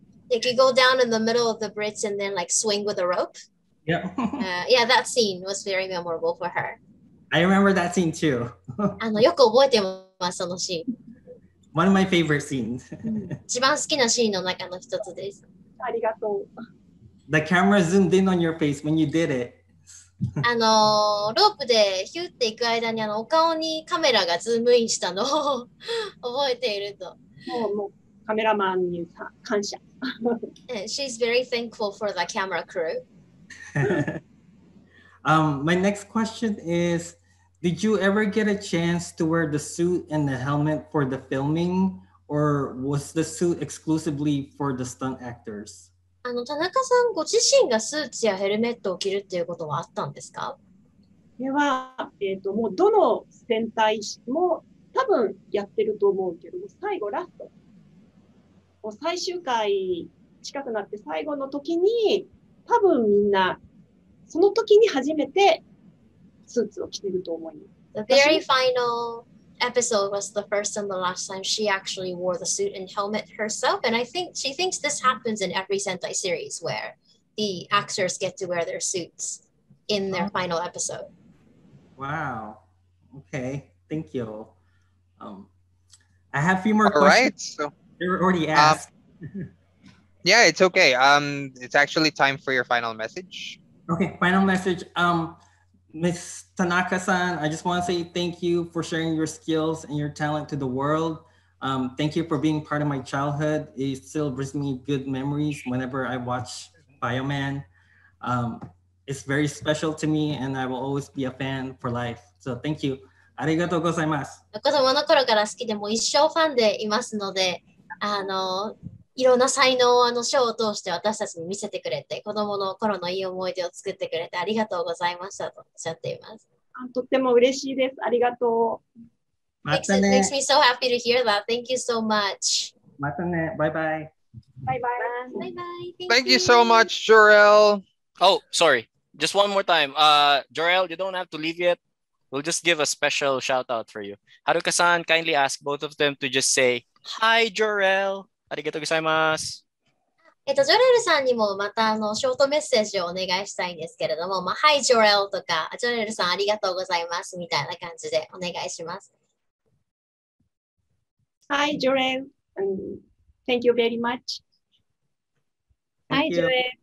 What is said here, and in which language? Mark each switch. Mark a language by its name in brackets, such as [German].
[English] Like you go down in the middle of the bridge and then like swing with a rope. Yeah. yeah, that scene was very memorable for her. I remember that scene too. [Japanese] あの、よく覚えてます、そのシーン。 [English] One of my favorite scenes. [Japanese] 一番好きなシーンの中の一つです。ありがとう。 [English] The camera zoomed in on your face when you did it. [Japanese] あの、ロープでヒューっていく間にあのお顔にカメラがズームインしたのを覚えていると。もうカメラマンに感謝。 [English] She's very thankful for the camera crew. My next question is, did you ever get a chance to wear the suit and the helmet for the filming, or was the suit exclusively for the stunt actors? [Japanese] あの、田中さんご自身がスーツやヘルメットを着るっていうことはあったんですか？では、もうどの戦隊も多分やってると思うけど、最後ラスト。もう最終回近くなって最後の時に、多分みんな、その時に初めてスーツを着てると思います。 [English] The very final episode was the first and the last time she actually wore the suit and helmet herself. And I think she thinks this happens in every Sentai series where the actors get to wear their suits in their final episode. Wow. Okay. Thank you. I have a few more questions. All right. So, you're already asked. yeah, it's okay. It's actually time for your final message. Okay, final message. Miss Tanaka-san, I just want to say thank you for sharing your skills and your talent to the world. Thank you for being part of my childhood. It still brings me good memories whenever I watch Bioman. It's very special to me, and I will always be a fan for life. So thank you. [Japanese] Arigatou gozaimasu. 子供の頃から好きで、もう一生ファンでいますので、あの、いろんな才能をあのショーを通して私たちに見せてくれて、子供の頃のいい思い出を作ってくれてありがとうございましたとおっしゃっています。あ、とっても嬉しいです。ありがとう。またね。 [English] Makes me so happy to hear that. Thank you so much. [Japanese] またね。バイバイ。バイバイ。バイバイ。 [English] Thank you so much, Jorel. Oh, sorry. Just one more time. Jorel, you don't have to leave yet. We'll just give a special shout out for you. Haruka-san, kindly ask both of them to just say, Hi, Jorel. [Japanese] ありがとうございます。ジョレルさんにもまたあのショートメッセージをお願いしたいんですけれども、まあ、はい、ジョレルとか、ジョレルさんありがとうございますみたいな感じでお願いします。はい、ジョレル。 [English] Thank you very much. [Japanese] はい、ジョレル。